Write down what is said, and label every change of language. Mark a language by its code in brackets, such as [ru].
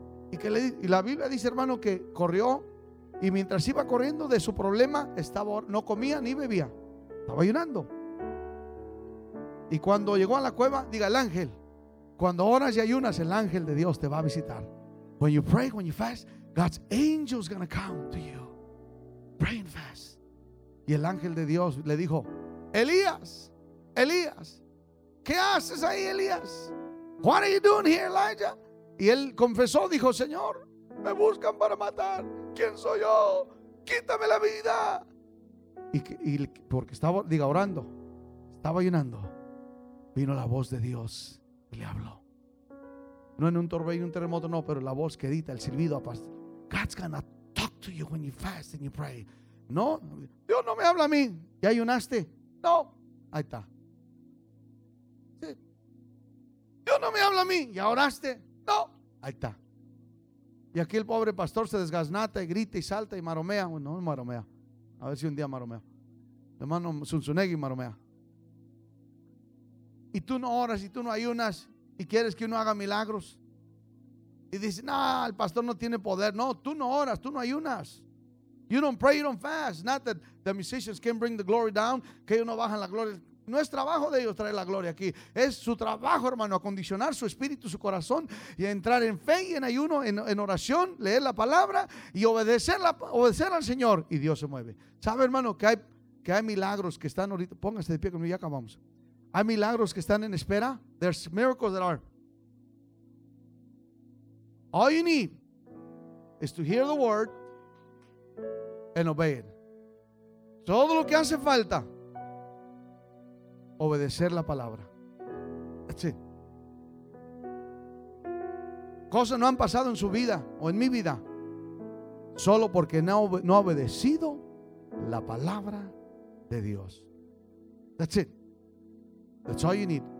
[es] Y que le, y la Biblia dice, hermano, que corrió. Y mientras iba corriendo de su problema, estaba, no comía ni bebía. Estaba ayunando. Y cuando llegó a la cueva, diga el ángel. Cuando oras y ayunas, el ángel de Dios te va a visitar. [en] When you pray, when you fast, God's angel's gonna come to you. Pray and fast. [es] Y el ángel de Dios le dijo, Elías, Elías, ¿qué haces ahí, Elías? [en] What are you doing here, Elijah? [es] Y él confesó, dijo, Señor, me buscan para matar. ¿Quién soy yo? Quítame la vida. Y porque estaba, diga, orando, estaba ayunando, vino la voz de Dios y le habló. No en un torbellino, un terremoto, no, pero la voz que edita, el silbido a pastor. [en] God's gonna talk to you when you fast and you pray. [es] No, Dios no me habla a mí. ¿Ya ayunaste? No. Ahí está. Sí. Dios no me habla a mí. ¿Ya oraste? No. Ahí está. Y aquí el pobre pastor se desgaznata y grita y salta y maromea. Bueno, no maromea. A ver si un día maromea. Hermano Sunsunegui maromea. Y tú no oras y tú no ayunas. Y quieres que uno haga milagros. Y dice, no, el pastor no tiene poder. No, tú no oras, tú no ayunas. [en] You don't pray, you don't fast. Not that the musicians can bring the glory down. [es] Que ellos no bajan la gloria. No es trabajo de ellos traer la gloria aquí. Es su trabajo, hermano, acondicionar su espíritu, su corazón. Y entrar en fe y en ayuno, en oración. Leer la palabra y obedecer al Señor. Y Dios se mueve. ¿Sabe, hermano, que hay milagros que están ahorita? Póngase de pie conmigo, ya acabamos. Hay milagros que están en espera. [en] There's miracles that are. All you need is to hear the word and obey it. [es] Todo lo que hace falta, obedecer la palabra. [en] That's it. [es] Cosas no han pasado en su vida o en mi vida solo porque no ha obedecido la palabra de Dios. [en] That's it. That's all you need.